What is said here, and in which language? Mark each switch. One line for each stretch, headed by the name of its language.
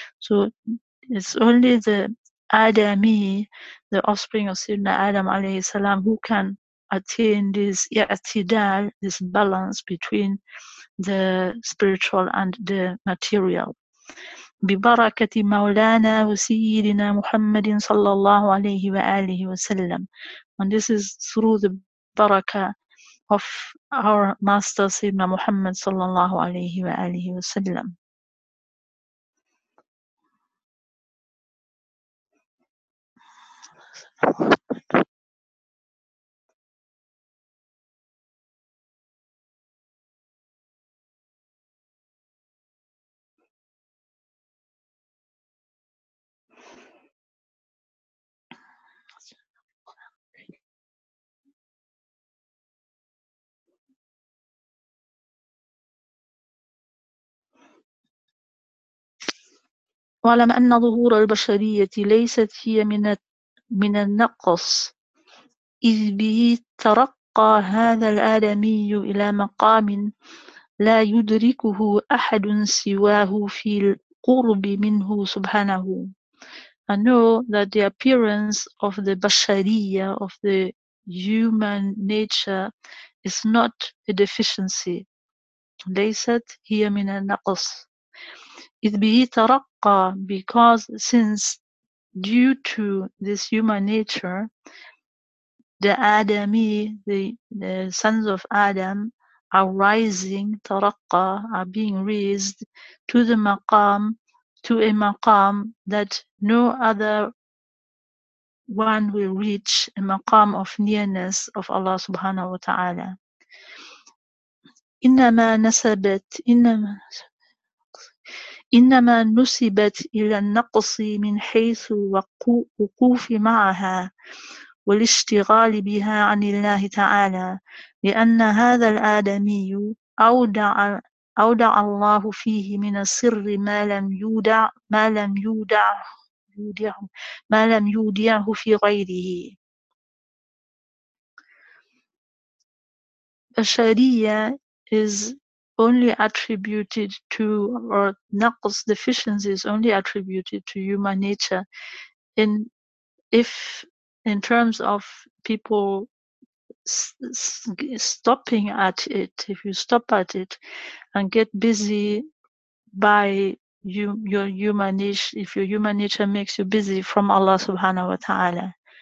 English: So it's only the Adami, the offspring of Sayyidina Adam alayhi salam, who can attain this i'tidal, this balance between the spiritual and the material.
Arabic: ببركة مولانا وسيدنا محمد صلى الله عليه وآله وسلم.
English: And this is through the barakah of our master
Arabic: سيدنا محمد صلى الله عليه وآله وسلم. وعلم أن ظهور البشرية ليست هي من النقص إذ به ترقى هذا الآدمي إلى مقام لا يدركه أحد سواه في القرب منه سبحانه.
English: I know that the appearance of the Bashariya, of the human nature, is not a deficiency.
Arabic: ليست هي من النقص. إذ به ترقى,
English: because since due to this human nature, the Adami, the sons of Adam, are rising, ترقى, are being raised to the maqam, to a maqam that no other one will reach, a maqam of nearness of Allah subhanahu wa ta'ala.
Arabic: إنما نسبت إنما إنما نسبت إلى النقص من حيث الوقوف معها والاشتغال بها عن الله تعالى لأن هذا الآدمي أودع الله فيه من السر ما لم يودع ما لم يودع يودع ما لم يودعه في غيره.
English: بشرية is only attributed to, or naqs, deficiency, is only attributed to human nature. In terms of people stopping at it, if you stop at it and get busy by your human nature, if your human nature makes you busy from Allah subhanahu wa ta'ala.